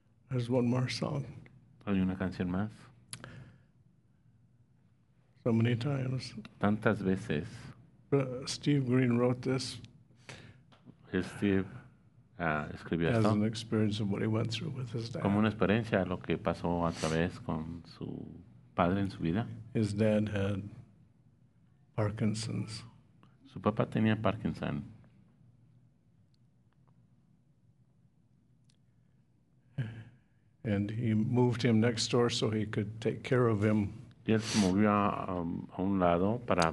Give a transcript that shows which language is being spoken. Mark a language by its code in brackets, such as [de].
[en] There's one more song. [es] Hay una canción más. [en] So many times. [es] Tantas veces. [en] Steve Green wrote this. [es] Steve escribió [en] as [es] esto. [en] An experience of what he went through with his dad. [es] Como una experiencia de lo que pasó a través con su padre en su vida. [en] His dad had Parkinson's. [es] Su papá tenía Parkinson. [en] And he moved him next door so he could take care of him. [es] Y él se movió a un lado para